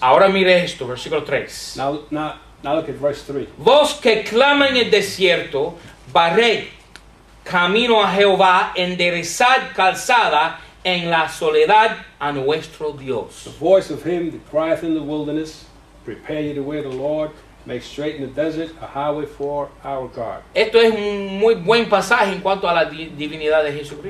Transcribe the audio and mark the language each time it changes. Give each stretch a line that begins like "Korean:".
Spanish: Ahora mire esto, versículo 3.
English: Now look at verse 3.
Spanish: Vos que clama en el desierto, barred camino a Jehová, enderezad calzada en la soledad a nuestro Dios.
English: The voice of him that crieth in the wilderness, prepare ye the way of the Lord, make straight in the desert a highway for our God.
Spanish: Esto es un muy buen pasaje en cuanto a la divinidad de Jesucristo.